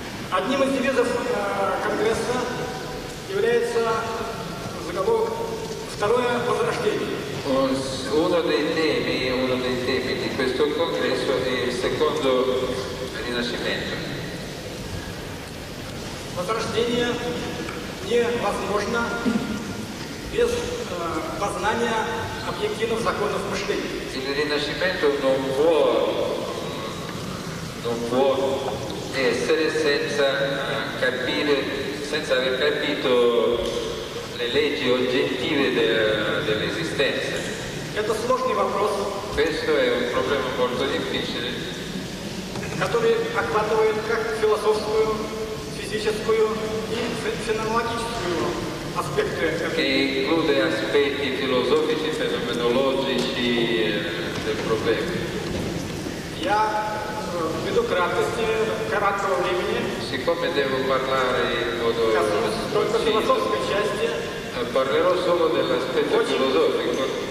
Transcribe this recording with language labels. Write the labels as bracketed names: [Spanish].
[Russian] Одним из девизов конгресса является заголовок «Второе возрождение». [Italian] Uno dei temi di questo congresso è il secondo rinascimento. [Russian] Возрождение невозможно без познания объективных законов мышления. [Italian] Il rinascimento non può essere senza aver capito le leggi oggettive dell'esistenza. [Russian] Это сложный вопрос. [Italian] Questo è un problema molto difficile, [Russian] который охватывает как философскую, физическую и феноменологическую аспекты. [Italian] Che include aspetti filosofici, fenomenologici del problema. [Russian] Я веду краткости короткого времени. [Italian] Siccome devo parlare in modo [Russian] только философской части. [Italian] Parlerò solo dell'aspetto filosofico.